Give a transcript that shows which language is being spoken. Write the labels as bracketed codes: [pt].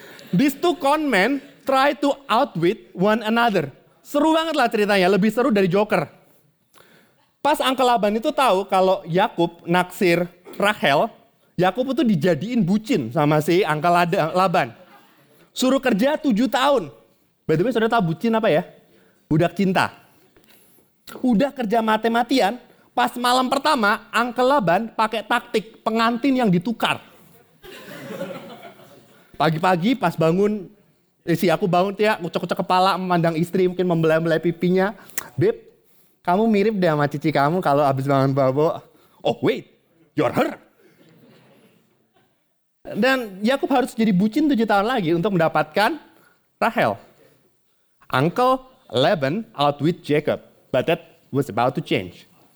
[en] These two con men try to outwit one another. [id] Seru banget lah ceritanya, lebih seru dari Joker. Pas Uncle Laban itu tahu kalau Yakub naksir Rahel, Yakub itu dijadiin bucin sama si Uncle Laban. Suruh kerja 7 tahun. [en] By the way, [id] saudara tahu bucin apa ya? Budak cinta. Udah kerja mati-matian, pas malam pertama Uncle Laban pakai taktik pengantin yang ditukar. Pagi-pagi pas bangun, si aku bangun tuh ya, ngucek-ngucek kepala, memandang istri, mungkin membelai-belai pipinya. Beb, kamu mirip deh sama cici kamu kalau habis bangun babo. [en] Oh wait, you're her. [id] Dan Yakub harus jadi bucin 7 tahun lagi untuk mendapatkan Rahel. [en] Uncle Laban outwit Jacob, but that was about to change.